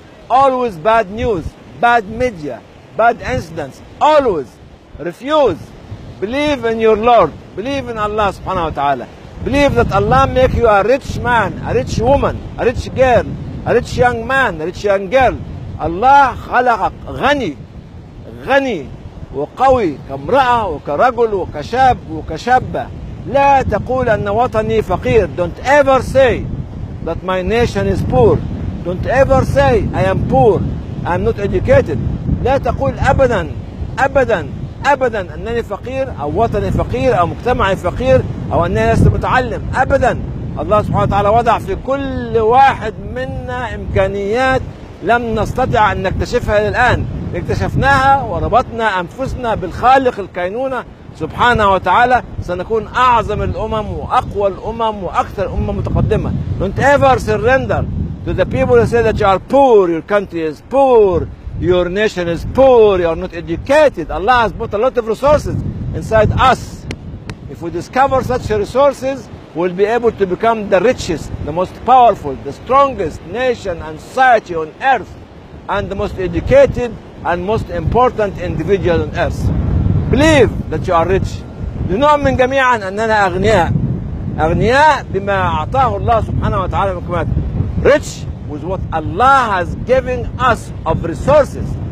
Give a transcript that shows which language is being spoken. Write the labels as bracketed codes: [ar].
[en] Always bad news, bad media, bad incidents. Always refuse. Believe in your Lord. Believe in Allah subhanahu wa ta'ala. Believe that Allah make you a rich man, a rich woman, a rich girl, a rich young man, a rich young girl. [ar] Allah خلقك غني, غني وقوي كامرأة وكرجل وكشاب وكشابة. لا تقول أن وطني فقير. [en] Don't ever say that my nation is poor. Don't ever say I am poor. I'm not educated. [ar] لا تقول أبدا أبدا ابدا انني فقير او وطني فقير او مجتمعي فقير او انني لست متعلم. ابدا. الله سبحانه وتعالى وضع في كل واحد منا امكانيات لم نستطع ان نكتشفها الان. اكتشفناها وربطنا انفسنا بالخالق الكينونه سبحانه وتعالى سنكون أعظم الأمم وأقوى الأمم وأكثر الأمم متقدمة. [en] Don't ever surrender to the people who say that you are poor, your country is poor, your nation is poor, you are not educated. Allah has put a lot of resources inside us. If we discover such resources, we'll be able to become the richest, the most powerful, the strongest nation and society on earth, and the most educated and most important individual on earth. Believe that you are rich. [ar] لنؤمن جميعا أننا أغنياء. أغنياء بما أعطاه الله سبحانه وتعالى من كمات. [en] Rich with what Allah has given us of resources.